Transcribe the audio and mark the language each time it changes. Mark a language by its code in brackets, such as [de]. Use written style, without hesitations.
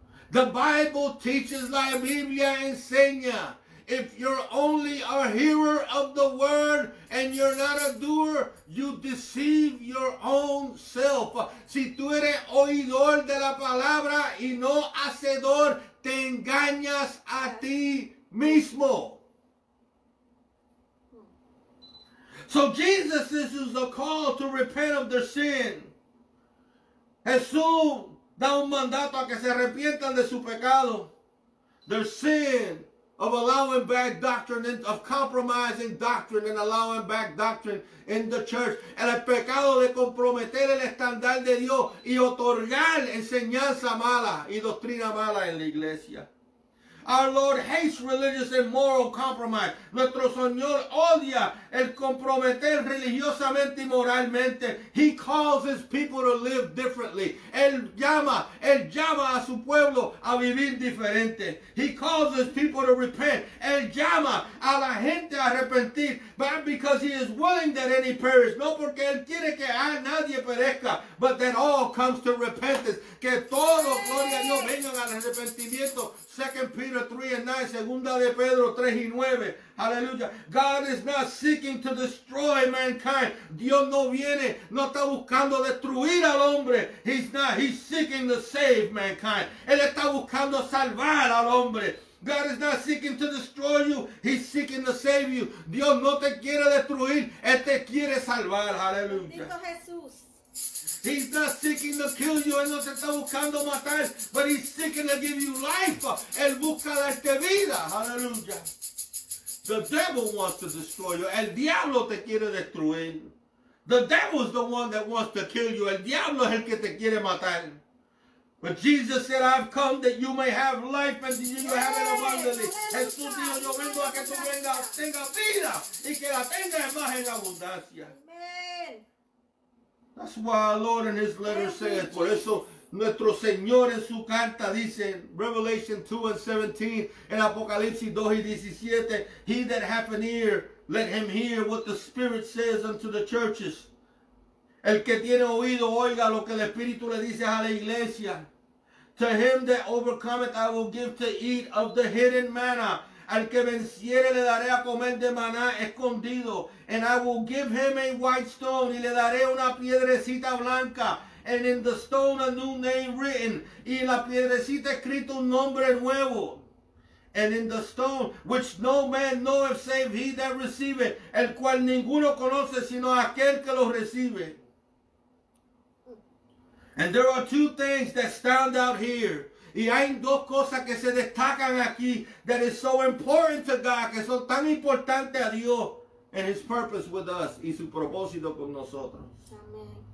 [en] The Bible teaches, [es] la Biblia enseña, [en] if you're only a hearer of the word and you're not a doer, you deceive your own self. [es] Si tú eres oidor de la palabra y no hacedor, te engañas a ti mismo. [en] So Jesus issues a call to repent of their sin. [es] Jesús da un mandato a que se arrepientan de su pecado. [en] Their sin. Of allowing bad doctrine, and of compromising doctrine, and allowing bad doctrine in the church. [es] El pecado de comprometer el estándar de Dios y otorgar enseñanza mala y doctrina mala en la iglesia. [en] Our Lord hates religious and moral compromise. [es] Nuestro Señor odia el comprometer religiosamente y moralmente. [en] He calls his people to live differently. [es] Él llama a su pueblo a vivir diferente. [en] He calls his people to repent. [es] Él llama a la gente a arrepentir. [en] But because he is willing that any perish. [es] No porque él quiere que nadie perezca. [en] But that all comes to repentance. [es] Que todos, gloria a Dios, vengan al arrepentimiento. 2 Peter 3:9, 2 Pedro 3:9. Hallelujah. [en] God is not seeking to destroy mankind. [es] Dios no viene, no está buscando destruir al hombre. [en] He's seeking to save mankind. [es] Él está buscando salvar al hombre. [en] God is not seeking to destroy you. He's seeking to save you. [es] Dios no te quiere destruir, Él te quiere salvar. [en] Hallelujah. He's not seeking to kill you. [es] Él no te está buscando matar. [en] But he's seeking to give you life. [es] Él busca darte vida. [en] Hallelujah. The devil wants to destroy you. [es] El diablo te quiere destruir. [en] The devil is the one that wants to kill you. [es] El diablo es el que te quiere matar. [en] But Jesus said, I've come that you may have life and that you may have it abundantly. [es] Jesús dijo, yo vengo a que tú tengas vida y que la tengas más en abundancia. Amen. [en] That's why our Lord in his letter says, [es] por eso nuestro Señor en su carta dice, [en] Revelation 2:17, en Apocalipsis 2:17, he that hath an ear, let him hear what the Spirit says unto the churches. [es] El que tiene oído, oiga lo que el Espíritu le dice a la iglesia. [en] To him that overcometh, I will give to eat of the hidden manna. [es] Al que venciere le daré a comer de maná escondido. [en] And I will give him a white stone. [es] Y le daré una piedrecita blanca. [en] And in the stone a new name written. [es] Y en la piedrecita escrito un nombre nuevo. [en] And in the stone which no man knoweth save he that receive it. [es] El cual ninguno conoce sino aquel que lo recibe. [en] And there are two things that stand out here. [es] Y hay dos cosas que se destacan aquí [en] that is so important to God, [es] que son tan importantes a Dios [en] and his purpose with us [es] y su propósito con nosotros. Amen.